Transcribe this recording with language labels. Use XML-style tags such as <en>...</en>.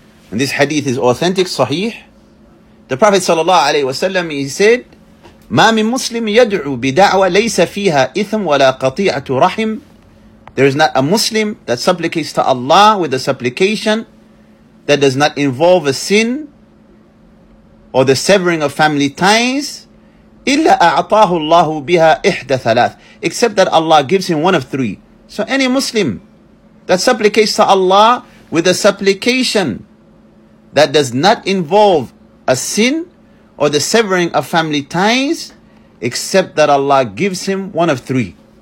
<en>and this hadith is authentic, sahih, the Prophet sallallahu alaihi wasallam, he said,</en> <ar>ما من مسلم يدعو بدعوة ليس فيها إثم ولا قطيعة رحم.</ar> <en>There is not a Muslim that supplicates to Allah with a supplication that does not involve a sin or the severing of family ties.</en> <ar>إلا أعطاه الله بها إحدى ثلاث.</ar> <en>Except that Allah gives him one of three. So any Muslim that supplicates to Allah with a supplication that does not involve a sin or the severing of family ties, except that Allah gives him one of three.</en>